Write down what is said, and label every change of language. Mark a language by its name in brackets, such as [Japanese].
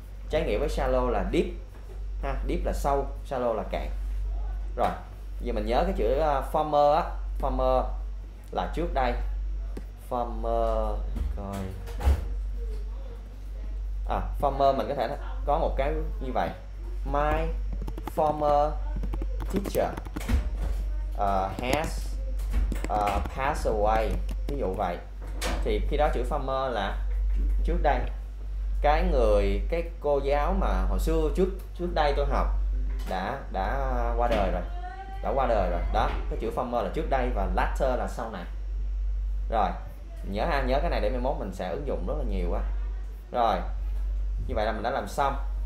[Vietnamese] Trái nghĩa với shallow là deep ha, deep là sâu, shallow là cạn. Rồi, giờ mình nhớ cái chữ former á, former là trước đây. Former coi. À, former mình có thể có một cái như vậy. [English] My former teacher has passed away. [Vietnamese] Ví dụ vậy. Thì khi đó chữ former là trước đây. Cái người, cái cô giáo mà hồi xưa trước trước đây tôi học đã qua đời rồi. Đã qua đời rồi. Đó, cái chữ former là trước đây và latter là sau này. Rồi, nhớ ha, nhớ cái này để mai mốt mình sẽ ứng dụng rất là nhiều quá. Rồi. Như vậy là mình đã làm xong.